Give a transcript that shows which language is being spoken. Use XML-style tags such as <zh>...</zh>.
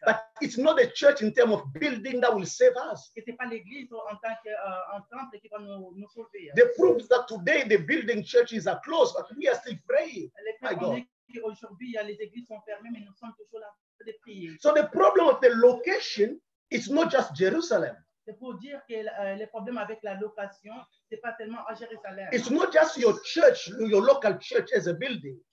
<en>but it's not the church in terms of building that will save us. The proof that today the building churches are closed, but we are still praying. My God.</en> <fr>Aujourd'hui, les églises sont fermées, mais nous sommes toujours là pour prier.</fr> <en>So the problem of the location is not just Jerusalem.</en> <fr>C'est pour dire que le problème avec la location, c'est pas seulement à Jérusalem.</fr> <en>It's not just your church, your local church as a building.</en>